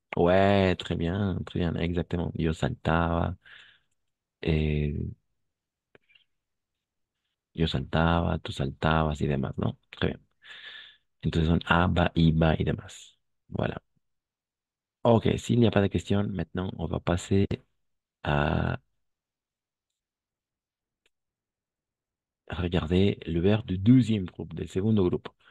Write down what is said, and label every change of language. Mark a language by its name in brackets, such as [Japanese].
[French] Ouais, très bien, exactement. [Spanish] Yo saltaba. Yo saltaba, tú saltabas y demás, ¿no? [French] Très bien. [Spanish] Entonces son aba, iba y demás. [French] Voilà. Ok, s'il n'y a pas de questions, maintenant on va passer à regarder le verbe du deuxième groupe, du second groupe.